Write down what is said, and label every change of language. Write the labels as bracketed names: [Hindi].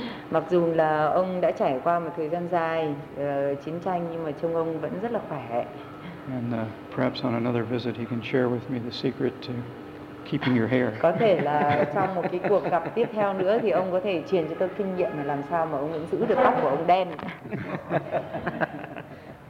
[Vietnamese] Mặc dù là ông đã trải qua một thời gian dài chiến tranh, nhưng mà trông ông vẫn rất là khỏe. [English] And perhaps on another visit, he can share with me the secret to keeping your hair. [Vietnamese] Có thể là trong một cái cuộc gặp tiếp theo nữa thì ông có thể truyền cho tôi kinh nghiệm là làm sao mà ông vẫn giữ được tóc của ông đen.